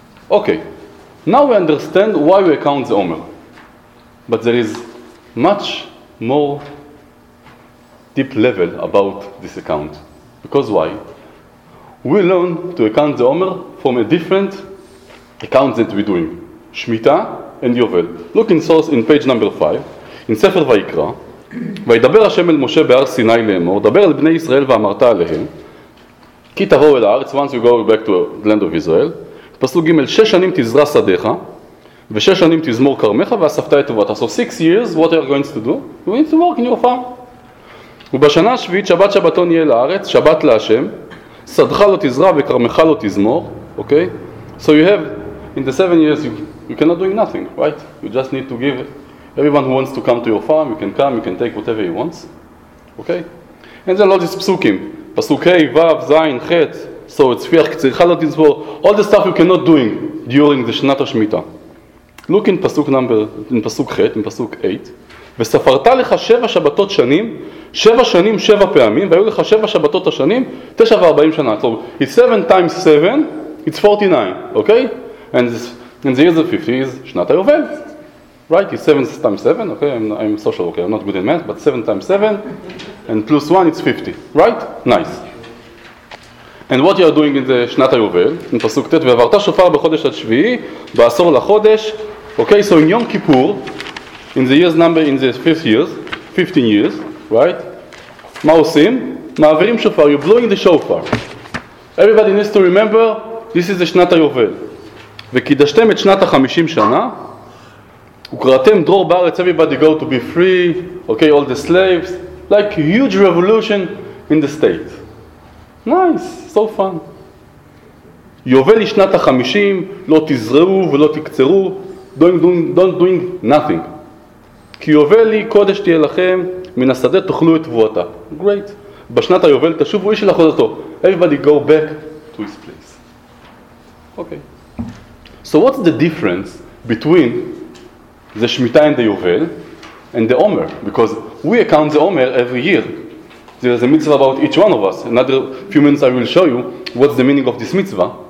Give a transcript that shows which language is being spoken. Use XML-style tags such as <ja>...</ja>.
<en>Okay, now we understand why we count the Omer. But there is much more deep level about this account. Because why? We learn to account the Omer from a different account that we're doing. Shemitah and Yovel. Look in source in page number 5. In Sefer Vayikra,</en> <he>וידבר השם אל משה בהר סיני לאמור, דבר אל בני ישראל ואמרת עליהם, כי תבואו אל הארץ,</he> <en>once you go back to the land of Israel,</en> <he>פסוק ג' 6 שנים תזרע שדך, ושש שנים תזמור כרמך ואספת את תבואתך.</he> <en>So 6 years, what are you going to do? You need to work in your farm.</en> <he>ובשנה השביעית, שבת שבתון יהיה לארץ, שבת להשם, שדך לא תזרע וכרמך לא תזמור.</he> <en>Okay? So you have, in the 7 years, you cannot do nothing, right? You just need to give everyone who wants to come to your farm, you can come, you can take whatever he wants. Okay? And then all these psukim,</en> <he>פסוק ה', ו', ז', ח', so it's פיח, קצירך לא תזמור.</he> <en>All the stuff you cannot do during the שנת השמיטה. Look in פסוק number, in פסוק ח', in פסוק 8.</en> <he>וספרת לך 7 שבתות שנים, 7 שנים 7 פעמים, והיו לך 7 שבתות השנים, 49 שנה.</he> <en>So it's 7 times 7, it's 49, okay? And the years of 50 is שנת היובל. Right? It's 7 times 7, okay? I'm social, okay? I'm not good in math, but 7 times 7, and plus 1, it's 50, right? Nice. And what you are doing in the שנת היובל, in פסוק ט',</en> <he>ועברת שופר בחודש עד שביעי, בעשור לחודש,</he> <en>okay, so in Yom Kippur, in the year's number, in the 15 years, right?</en> <he>מה עושים? מעבירים שופר,</he> <en>you're blowing the shofar. Everybody needs to remember, this is the שנת היובל.</en> <he>וקידשתם את שנת ה-50 שנה, וקראתם דרור בארץ,</he> <en>everybody go to be free, okay, all the slaves, like a huge revolution in the state. Nice, so fun.</en> <he>יובל היא שנת ה-50, לא תזרעו ולא תקצרו,</he> <en>don't doing nothing.</en> <he>כי יובל היא קודש תהיה לכם, מן השדה תאכלו את תבואתה. Great. בשנת היובל תשובו איש אל אחוזתו.</he> <en>Everybody go back to his place. Okay. So what's the difference between the שמיטה and the יובל and the עומר? Because we account the עומר every year. There is a mitzvah about each one of us. Another few minutes I will show you what's the meaning of this mitzvah.</en>